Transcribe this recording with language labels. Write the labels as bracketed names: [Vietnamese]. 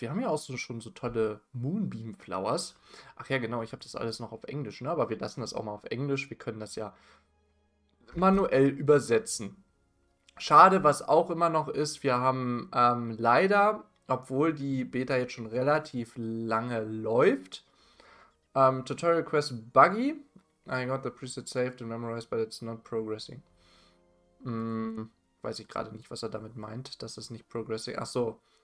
[German] Wir haben ja auch so, schon so tolle Moonbeam Flowers. Ach ja, genau, ich habe das alles noch auf Englisch, ne? Aber wir lassen das auch mal auf Englisch. Wir können das ja manuell übersetzen. Schade, was auch immer noch ist, wir haben leider, obwohl die Beta jetzt schon relativ lange läuft, Tutorial Quest Buggy. [English] I got the preset saved and memorized, but it's not progressing. [German] Weiß ich gerade nicht, was er damit meint, dass es nicht progressing. Ach so.